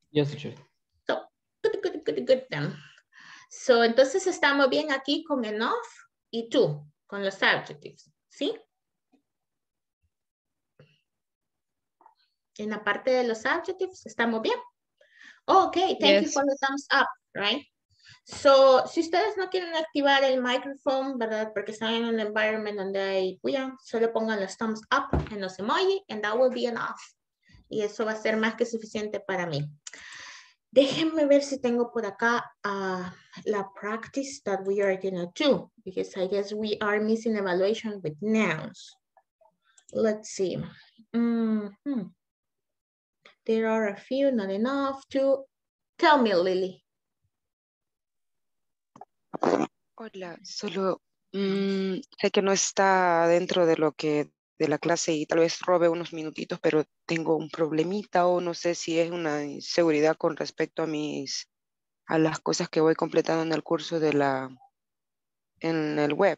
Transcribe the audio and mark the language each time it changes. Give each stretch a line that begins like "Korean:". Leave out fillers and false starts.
English: Yes, teacher. So, good, good, good, good then.
Spanish: So, entonces, estamos bien aquí con enough y tú, con los adjectives. ¿Sí? En la parte de los adjectives, ¿estamos bien?
English: Oh, ok, thank you for the thumbs up, right?
Spanish: So, si ustedes no quieren activar el microphone, ¿verdad? Porque están en un environment donde hay cuidado, solo pongan los thumbs up en los emoji,
English: and that will be enough.
Spanish: Y eso va a ser más que suficiente para mí. Déjenme ver si tengo por acá la
English: practice that we are going to do, because I guess we are missing evaluation with nouns. Let's see. There are a few, not enough to tell me, Lily.
Spanish: Hola, solo sé que no está dentro de lo que de la clase y tal vez robe unos minutitos, pero tengo un problemita o no sé si es una inseguridad con respecto a mis, a las cosas que voy completando en el curso de la, en el web.